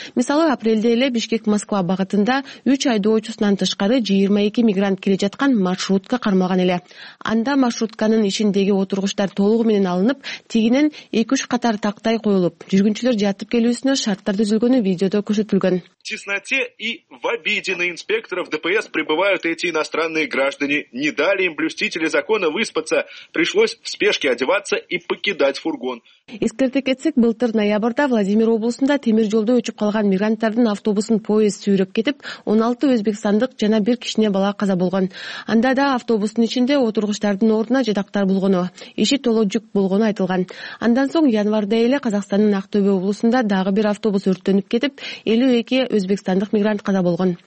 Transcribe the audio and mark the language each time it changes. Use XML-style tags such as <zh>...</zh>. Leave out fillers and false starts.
<ky>Мисалы, апрелде эле Бишкек Москва багытында 3 айдоочусунан тышкары 22 мигрант келе жаткан маршрутка кармалган эле. Анда маршрутканын ичиндеги отургучтар толугу менен алынып, тигинен 2-3 катар тактай коюлуп, жүргүнчүлөр жатып келүүсүнө шарттар түзүлгөнү видеодо көрсөтүлгөн.</ky> <ru>В тесноте и в обиде на инспекторов ДПС пребывают эти иностранные граждане. Не дали им блюстители закона выспаться. Пришлось в спешке одеваться и покидать фургон.</ru> <ky>Эскерте кетсек, былтыр ноябрда Владимир облусунда темир жолдо өчүп калган мигранттардын автобусун поезд сүйрөп кетип, 16 өзбекстандык жана бир кишине бала каза болгон. Анда да автобустун ичинде отургучтардын ордуна жатактар болгону, иши толо жүк болгону айтылган. Андан соң январда эле Казакстандын Актобе облусунда дагы бир автобус өрттөнүп кетип, 52 өзбекстандык мигрант каза болгон.</ky>